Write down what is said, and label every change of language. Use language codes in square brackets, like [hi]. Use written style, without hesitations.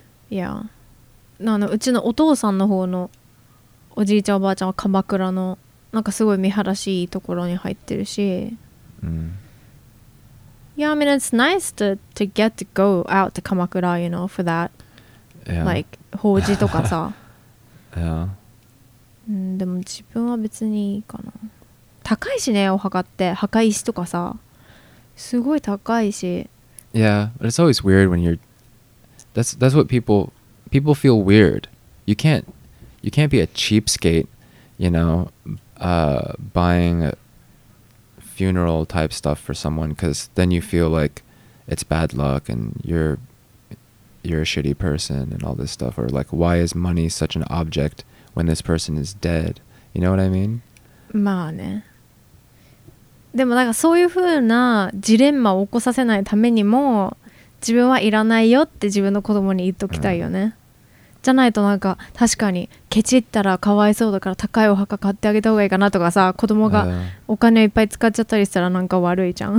[ja] Yeah. あのうちのお父さんの方のおじいちゃんおばあちゃんは鎌倉のなんかすごい見晴らしいところに入ってるし。 Mm. [en] Yeah, I mean, it's nice to get to go out to 鎌倉, you know, for that. Yeah. [ja] Like, 法事とかさ。 [en] Yeah. [ja] うん、でも自分は別にいいかな。高いしね、お墓って。墓石とかさ。すごい高いし。 [en] Yeah, but it's always weird when you're... That's what people feel weird. You can't be a cheapskate, you know, buying funeral type stuff for someone, because then you feel like it's bad luck and you're a shitty person and all this stuff. Or like, why is money such an object when this person is dead? You know what I mean? [ja] まあね。でもなんかそういう風なジレンマを起こさせないためにも自分はいらないよって自分の子供に言っときたいよね、うん、じゃないとなんか確かにケチったらかわいそうだから高いお墓買ってあげた方がいいかなとかさ、子供がお金をいっぱい使っちゃったりしたらなんか悪いじゃん。